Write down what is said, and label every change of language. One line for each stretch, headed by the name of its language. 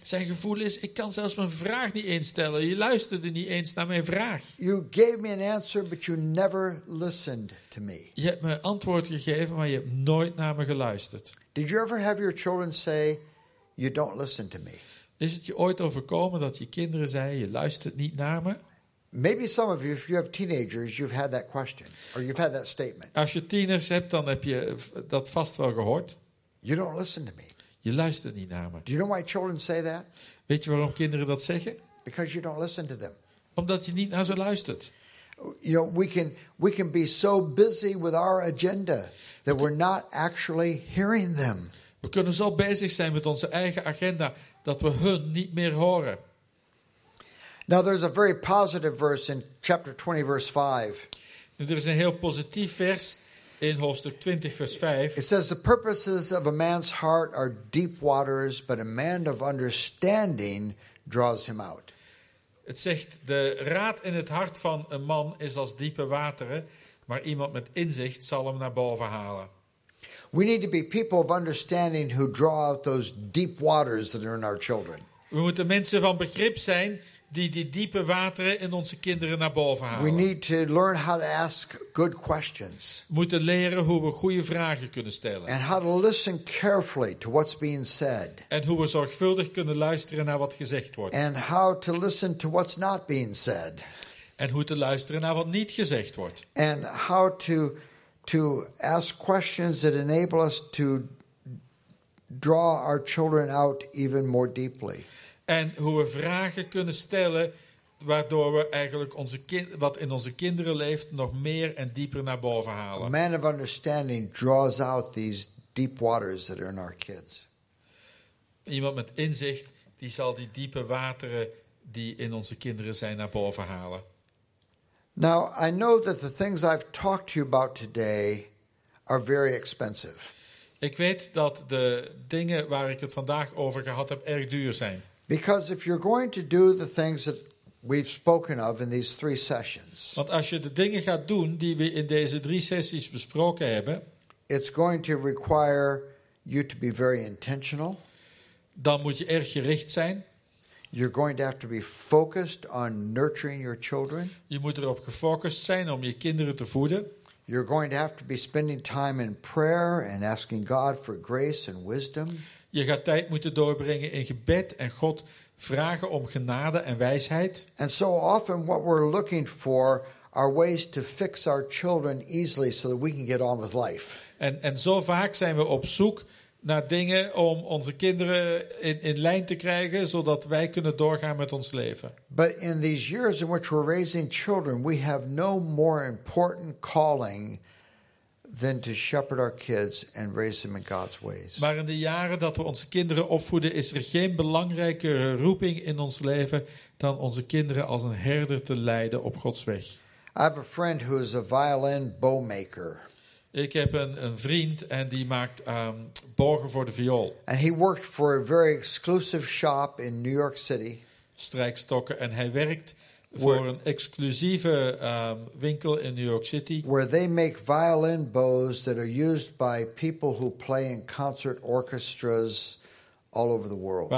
Dutch: Zijn gevoel is, ik kan zelfs mijn vraag niet instellen. Je luisterde niet eens naar mijn vraag.
English: You gave me an answer, but you never listened to me.
Dutch: Je hebt me een antwoord gegeven, maar je hebt nooit naar me geluisterd.
English: Did you ever have your children say, you don't listen to me?
Dutch: Is het je ooit overkomen dat je kinderen zeiden, je luistert niet naar me?
English: Maybe some of you, if you have teenagers, you've had that question. Or you've had that statement.
Dutch: Als je tieners hebt, dan heb je dat vast wel gehoord.
English: You don't listen to me.
Dutch: Je luistert niet naar me.
English: Do you know why children say that?
Dutch: Weet je waarom kinderen dat zeggen?
English: Because you don't listen to them.
Dutch: Omdat je niet naar ze luistert.
English: You know, we can be so busy with our agenda that we're not actually hearing them.
Dutch: We kunnen zo bezig zijn met onze eigen agenda dat we hun niet meer horen.
English: Now there's a very positive verse in chapter 20 verse 5.
Dutch: Nu, er is een heel positief vers in hoofdstuk 20 vers 5.
English: It says the purposes of a man's heart are deep waters, but a man of understanding draws him out.
Dutch: Het zegt de raad in het hart van een man is als diepe wateren, maar iemand met inzicht zal hem naar boven halen.
English: We need to be people of understanding who draw out those deep waters that are in our children.
Dutch: We moeten mensen van begrip zijn die diepe wateren in onze kinderen naar boven halen.
English: We need to learn how to ask good questions.
Dutch: We moeten leren hoe we goede vragen kunnen stellen.
English: And how to listen carefully to what's being said.
Dutch: En hoe we zorgvuldig kunnen luisteren naar wat gezegd wordt.
English: And how to listen to what's not being said.
Dutch: En hoe te luisteren naar wat niet gezegd wordt.
English: And how to ask questions that enable us to draw our children out even more deeply.
Dutch: En hoe we vragen kunnen stellen waardoor we eigenlijk wat in onze kinderen leeft nog meer en dieper naar boven halen.
English: A man of understanding draws out these deep waters that are in our kids.
Dutch: Iemand met inzicht die zal die diepe wateren die in onze kinderen zijn naar boven halen.
English: Now I know that the things I've talked to you about today are very expensive.
Dutch: Ik weet dat de dingen waar ik het vandaag over gehad heb erg duur zijn.
English: Because if you're going to do the things that we've spoken of in these three sessions.
Dutch: Want als je de dingen gaat doen die we in deze drie sessies besproken hebben,
English: it's going to require you to be very intentional.
Dutch: Dan moet je erg gericht zijn.
English: You're going to have to be focused on nurturing your children.
Dutch: Je moet erop gefocust zijn om je kinderen te voeden.
English: You're going to have to be spending time in prayer and asking God for grace and wisdom.
Dutch: Je gaat tijd moeten doorbrengen in gebed en God vragen om genade en wijsheid.
English: And so often what we're looking for are ways to fix our children easily so that we can get on with life.
Dutch: En zo vaak zijn we op zoek naar dingen om onze kinderen in lijn te krijgen zodat wij kunnen doorgaan met ons leven.
English: But in these years in which we're raising children, we have no more important calling than to shepherd our kids and raise them in God's ways.
Dutch: Maar in de jaren dat we onze kinderen opvoeden, is er geen belangrijkere roeping in ons leven dan onze kinderen als een herder te leiden op Gods weg.
English: I have a friend who is a violin bowmaker.
Dutch: Ik heb een vriend en die maakt borgen voor de viool.
English: And he worked for a very exclusive shop in New York City.
Dutch: Strijkstokken, en hij werkt voor een exclusieve winkel in New York City.
English: Where they make violin bows that are used by people who play in concert orchestras all over the world.